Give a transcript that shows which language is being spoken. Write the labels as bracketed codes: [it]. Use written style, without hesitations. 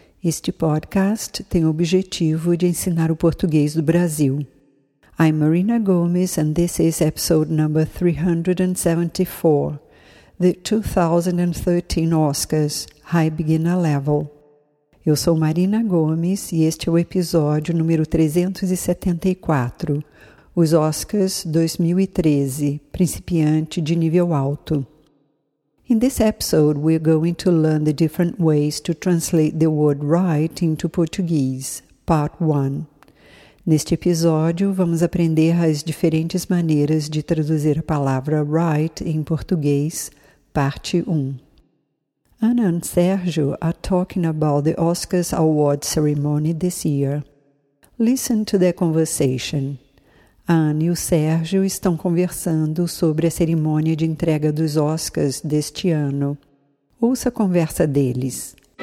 [pt] Este podcast tem o objetivo de ensinar o português do Brasil. [en] I'm Marina Gomes and this is episode number 374, the 2013 Oscars High Beginner Level. [pt] Eu sou Marina Gomes e este é o episódio número 374, os Oscars 2013, principiante de nível alto. [en] In this episode, we're going to learn the different ways to translate the word right into Portuguese, part 1. [pt] Neste episódio, vamos aprender as diferentes maneiras de traduzir a palavra right em português, parte 1. [en] Ana and Sérgio are talking about the Oscars award ceremony this year. Listen to their conversation. [pt] A Ana e o Sérgio estão conversando sobre a cerimônia de entrega dos Oscars deste ano. Ouça a conversa deles.